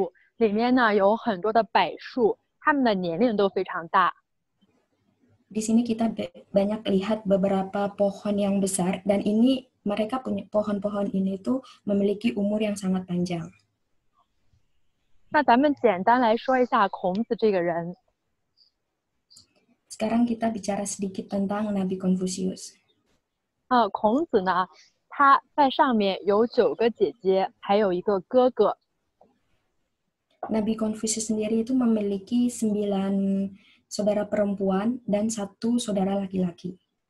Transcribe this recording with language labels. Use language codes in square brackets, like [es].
[zh] 我们现在呢已经走到了孔庙的内部，里面呢有很多的柏树。他们的年龄都非常大. [id] Di sini kita banyak lihat beberapa pohon yang besar, dan ini mereka punya pohon-pohon ini tuh memiliki umur yang sangat panjang. [zh] 那咱们简单来说一下孔子这个人. [id] Sekarang kita bicara sedikit tentang Nabi Konfusius. [zh] 孔子呢，他在上面有九个姐姐，还有一个哥哥。 [id] Nabi Konfusius sendiri itu memiliki 9 saudara perempuan dan 1 saudara laki-laki.